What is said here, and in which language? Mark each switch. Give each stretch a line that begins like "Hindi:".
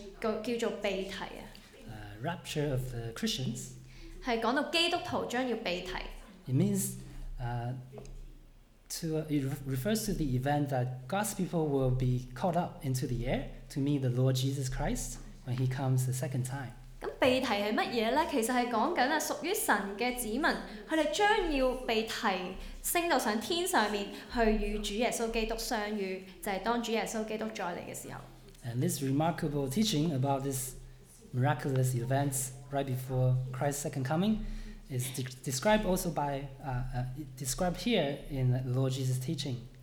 Chinese: 而這件事在基督徒就知道了,是叫做被提。
English: Rapture of the Christians.
Chinese: 是講到基督徒將要被提。
English: It means it refers to the event that God's people will be caught up into the air to meet the Lord Jesus Christ when He comes the second time.
Chinese: 被提是什么呢? 其实是讲属于神的子民,他们将要被提升到天上面去与主耶稣基督相遇,就是当主耶稣基督再来的时候。
English: And this remarkable teaching about this miraculous event right before Christ's second coming is described also by described here in the Lord Jesus' teaching.